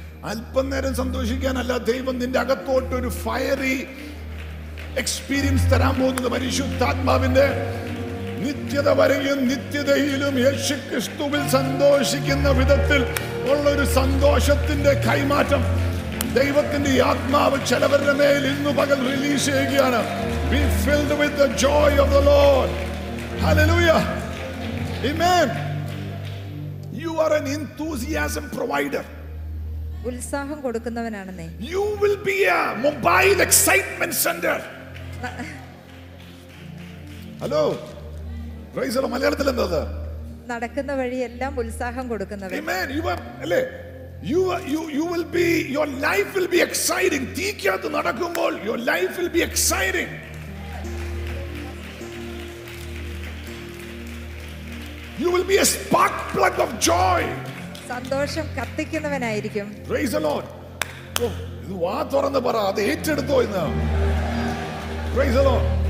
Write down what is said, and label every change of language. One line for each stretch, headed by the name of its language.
Malayalam: അല്പം നേരം സന്തോഷിക്കാനല്ല ദൈവം നിന്റെ അകത്തോട്ട് ഒരു ഫയറി എക്സ്പീരിയൻസ് തരാൻ പോകുന്നത്. പരിശുദ്ധാത്മാവിന്റെ നിത്യത വരെയും നിത്യതയിലും യേശു ക്രിസ്തുവിൽ സന്തോഷിക്കുന്ന വിധത്തിൽ ഉള്ള ഒരു സന്തോഷത്തിന്റെ കൈമാറ്റം ദൈവത്തിന്റെ ആത്മാവ് ചിലവരുടെ മേൽ ഇന്ന് പകൽ റിലീസ് ചെയ്യുകയാണ്.
English: Be filled with the joy of the Lord. Hallelujah. Amen. You are an enthusiasm provider.
Malayalam: ഉത്സാഹം കൊടുക്കുന്നവനാണെന്നേ.
English: You will be a mobile excitement center. Hello. Praise the Lord.
Malayalam: മലയാളത്തിൽ എന്താ? നടക്കുന്ന വഴിയെല്ലാം ഉത്സാഹം കൊടുക്കുന്നവൻ.
English: Amen. You will be your life will be exciting.
Malayalam: തീക്കാത്ത് നടക്കുമ്പോൾ
English: your life will be exciting. You will be a spark plug of joy.
Malayalam: സന്തോഷം കത്തിക്കുന്നവനായിരിക്കും.
English: Praise the Lord.
Malayalam: ഓ, ഇത് വാ തുറന്ന് പറ, അത് ഏറ്റെടുത്തോ എന്ന്.
English: Praise the Lord.